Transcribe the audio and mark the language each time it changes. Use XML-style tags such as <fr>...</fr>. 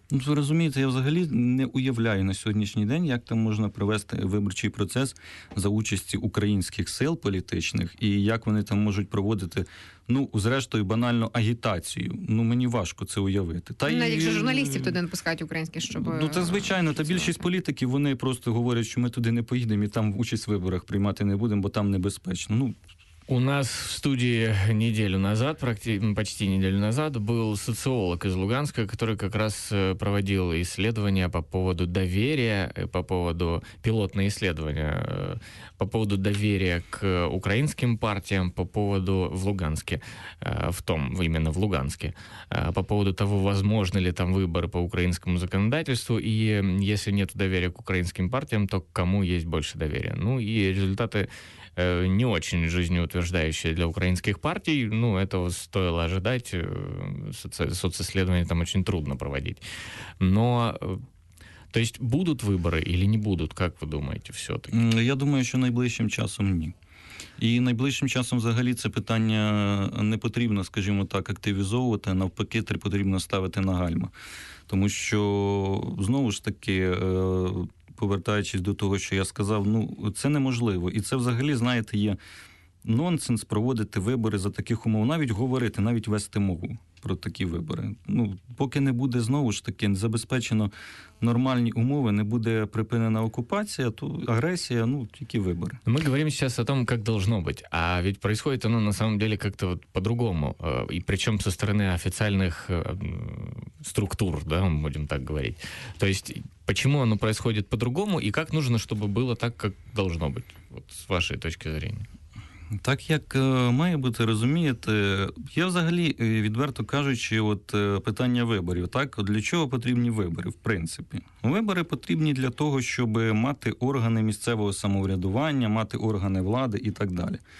<uk>Ну, ви розумієте, я взагалі не уявляю на сьогоднішній день, як там можна провести виборчий процес за участі українських сил політичних і як вони там можуть проводити ну, зрештою, банально агітацію. Ну, мені важко це уявити. Та навіть якщо журналістів туди не пускають українських, щоб... Ну, це звичайно, та більшість політиків, вони просто говорять, що ми туди не поїдемо і там участь в виборах приймати не будемо, бо там небезпечно. Ну,</uk> <ru>у нас в студии неделю назад, почти неделю назад, был социолог из Луганска, который как раз проводил исследования по поводу доверия, по поводу пилотные исследования, по поводу доверия к украинским партиям, по поводу в Луганске, в том, именно в Луганске, по поводу того, возможны ли там выборы по украинскому законодательству, и если нет доверия к украинским партиям, то к кому есть больше доверия. Ну и результаты не очень жизнеутверждающие для украинских партий. Ну, этого стоило ожидать. Социсследование там очень трудно проводить. Но, то есть, будут выборы или не будут, как вы думаете, все-таки?</ru> <uk>Я думаю, что найближчим часом ні. І найближчим часом взагалі це питання не потрібно, скажімо так, активізовувати, а навпаки, це потрібно ставити на гальма. Тому що, знову ж таки, повертаючись до того, що я сказав, ну, це неможливо. І це взагалі, знаєте, є нонсенс проводити вибори за таких умов, навіть говорити, навіть вести мову про такі вибори. Ну, поки не буде, знову ж таки, забезпечено нормальні умови, не буде припинена окупація, то агресія, ну, тільки вибори. Ми говоримо зараз</uk> <ru>о том,</ru> <uk>як должно бути.</uk> <ru>А ведь происходит оно на самом деле как-то вот по-другому. И причем со стороны официальных структур, да, будем так говорить. То есть, почему оно происходит по-другому, и как нужно, чтобы было так, как должно быть, вот с вашей точки зрения?</ru> <uk>Так, як має бути, розумієте, я взагалі, відверто кажучи, от питання виборів, так, для чого потрібні вибори, в принципі? Вибори потрібні для того, щоб мати органи місцевого самоврядування, мати органи влади і так далі.</uk>